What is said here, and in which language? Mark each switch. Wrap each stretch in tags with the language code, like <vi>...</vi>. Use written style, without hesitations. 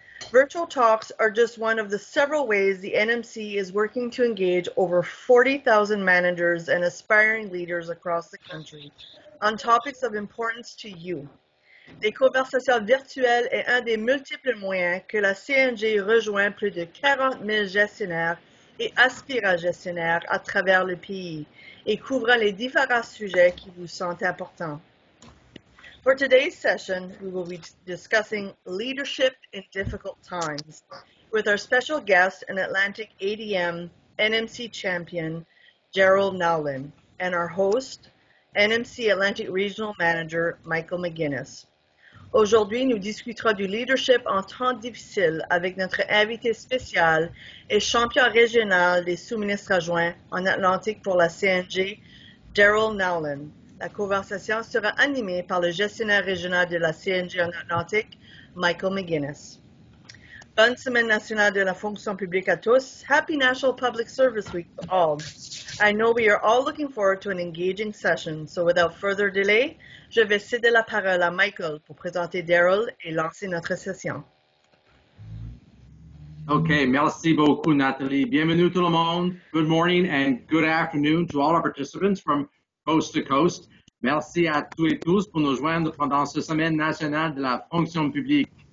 <en>Virtual talks are just one of the several ways the NMC is working to engage over 40,000 managers and aspiring leaders across the country on topics of importance to you.</en> <fr>Les conversations virtuelles est un des multiples moyens que la CNG rejoint plus de 40 000 gestionnaires et aspirants gestionnaires à travers le pays et couvrant les différents sujets qui vous sont importants.</fr> <en>For today's session, we will be discussing leadership in difficult times with our special guest and Atlantic ADM NMC champion, Daryell Nowlan, and our host, NMC Atlantic Regional Manager, Michael MacInnis.</en> <fr>Aujourd'hui, nous discuterons du leadership en temps difficile avec notre invité spécial et champion régional des sous-ministres adjoints en Atlantique pour la CNG, Daryell Nowlan. La conversation sera animée par le gestionnaire régional de la CNG en Atlantique, Michael MacInnis. Bonne semaine nationale de la fonction publique à tous.</fr> <en>Happy National Public Service Week to all. I know we are all looking forward to an engaging session, so without further delay,</en> <fr>je vais céder la parole à Michael pour présenter Daryell et lancer notre session. OK, merci beaucoup, Nathalie. Bienvenue tout le monde.</fr> <en>Good morning and good afternoon to all our participants from coast to coast.</en> <fr>Merci à tous et tous pour nous joindre pendant ce semaine nationale de la fonction publique.</fr>